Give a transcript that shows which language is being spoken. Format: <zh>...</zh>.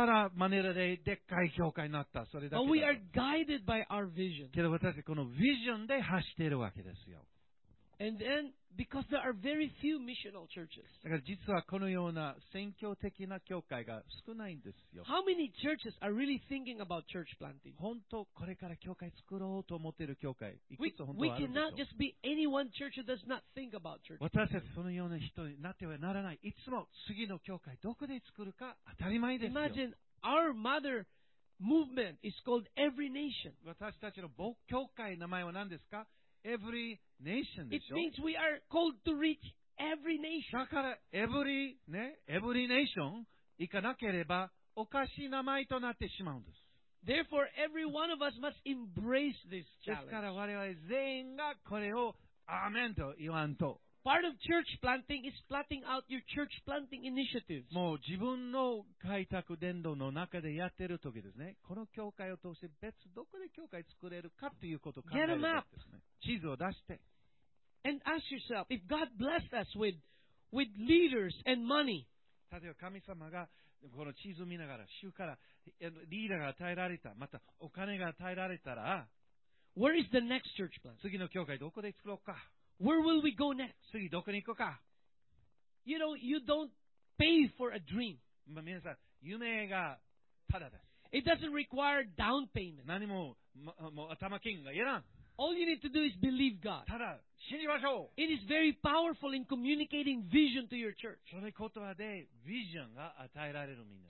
<ja>ただマニラででっかい教会になった、それだけだ。</ja> <en>But we are guided by our vision。</en> <ja>けど私たちこのビジョンで走っているわけですよ。</ja> <en>And then because there are very few missional churches。</en> <ja>だから実はこのような宣教的な教会が少ないんですよ。</ja> <en>How many churches are really thinking about church planting?</en> <ja>本当これから教会作ろうと思っている教会、いくつ本当あるんでしょう。</ja> <en>We cannot just be any one church that does not think about church planting.</en> <ja>私たちそのような人になってはならない。いつも次の教会どこで作るか当たり前ですよ。</ja> <en>Imagine our mother movement is called Every Nation.</en> <ja>私たちの母教会の名前は何ですか？ Every nation でしょ?</ja> <en>It means we are called to reach every nation.</en> <ja>だから every ね、every nation 行かなければおかしい名前となってしまうんです。</ja> <en>Therefore, every one of us must embrace this challenge.</en> <ja>ですから我々全員がこれをアーメンと言わんと。</ja> <en>Part of church planting is plotting out your church planting initiatives.</en> <ja>もう自分の開拓伝道の中でやってる時ですね。この教会を通して別どこで教会作れるかということを考えるわけですね。地図を出して。</ja> <en>And ask yourself, if God blessed us with leaders and money.</en> <ja>例えば神様がこの地図を見ながら、主からリーダーが与えられた、またお金が与えられたら、</ja> <en>Where is the next church plant?</en> <ja>次の教会どこで作ろうか。</ja> <en>Where will we go next?</en> <ja>次どこに行こうか。</ja> <en>You know, you don't pay for a dream.</en> <ja>皆さん、夢がただです。</ja> <en>It doesn't require down payment.</en> <ja>何も、もう頭金がいらん。</ja> <en>All you need to do is believe God.</en> <ja>ただ信じましょう。</ja> <en>It is very powerful in communicating vision to your church.</en> <ja>その言葉でビジョンが与えられるみんな、ね。</ja>